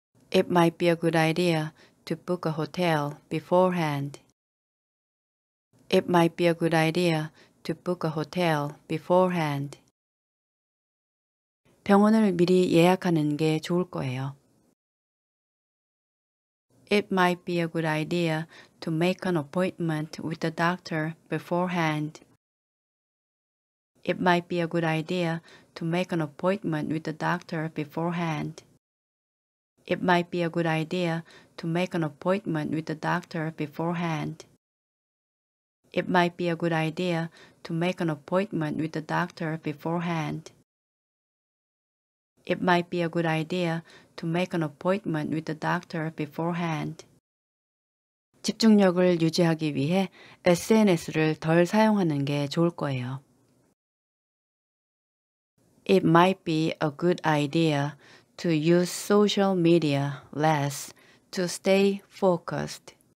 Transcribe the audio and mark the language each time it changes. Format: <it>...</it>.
<en>It might be a good idea to book a hotel beforehand. It might be a good idea to book a hotel beforehand.</en> <ko>병원을 미리 예약하는 게 좋을 거예요.</ko> <en>It might be a good idea to make an appointment with the doctor beforehand. It might be a good idea to make an appointment with the doctor beforehand. It might be a good idea to make an appointment with the doctor beforehand. It might be a good idea to make an appointment with the doctor beforehand. It might be a good idea to make an appointment with the doctor beforehand.</en> <ko>집중력을 유지하기 위해 SNS를 덜 사용하는 게 좋을 거예요.</ko> <en>It might be a good idea to use social media less to stay focused.</en>